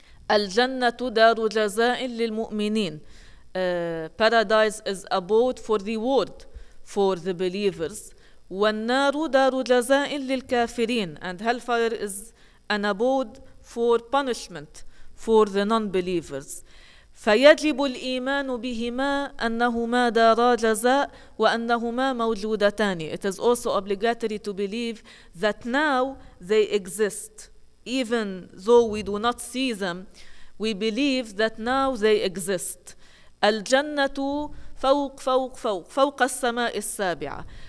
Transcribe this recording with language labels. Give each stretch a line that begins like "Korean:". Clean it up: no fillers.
Arabic: الجنة دار جزاء للمؤمنين.
English: Paradise is abode for reward for the believers.
Arabic: والنار دار جزاء للكافرين.
English: And hellfire is an abode for punishment for the non-believers.
Arabic: فيجب الإيمان بهما أنهما دارا جزاء وأنهما موجودتان.
English: It is also obligatory to believe that now they exist. Even though we do not see them, we believe that now they exist.
Arabic: الجنة فوق فوق فوق فوق السماء السابعة.